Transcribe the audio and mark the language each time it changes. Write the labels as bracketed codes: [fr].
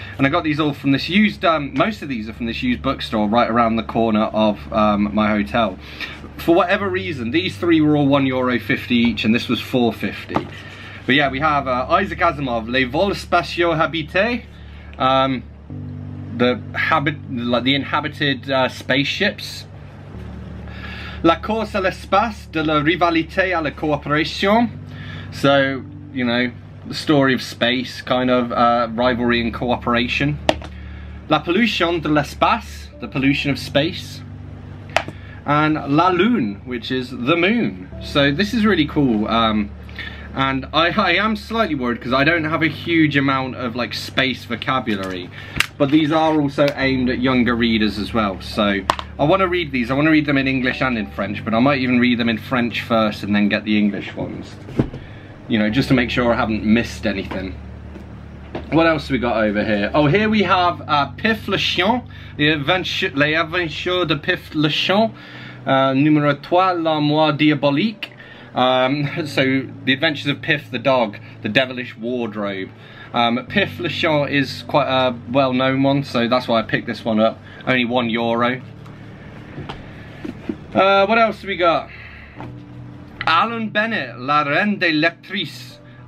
[en] And I got these all from this used, most of these are from this used bookstore right around the corner of my hotel. For whatever reason, these three were all €1.50 each, and this was €4.50. But yeah, we have Isaac Asimov, Les Vols Spacioux Habite, the inhabited spaceships. [fr] La course à l'espace, de la rivalité à la coopération. [en] So, you know, the story of space, kind of rivalry and cooperation. La pollution de l'espace, the pollution of space. And La Lune, which is the moon. So this is really cool. And I am slightly worried because I don't have a huge amount of like space vocabulary. But these are also aimed at younger readers as well. So I want to read these. I want to read them in English and in French. But I might even read them in French first and then get the English ones. You know, just to make sure I haven't missed anything. What else have we got over here? Oh, here we have Pif Le Chien. [fr] Les Aventures de Pif Le Chien. Numéro 3, L'Armoire Diabolique. [en] So, The Adventures of Pif the Dog, The Devilish Wardrobe. Pif Le Chien is quite a well-known one, so that's why I picked this one up. Only €1. What else have we got? Alan Bennett, La Reine des Lectrices.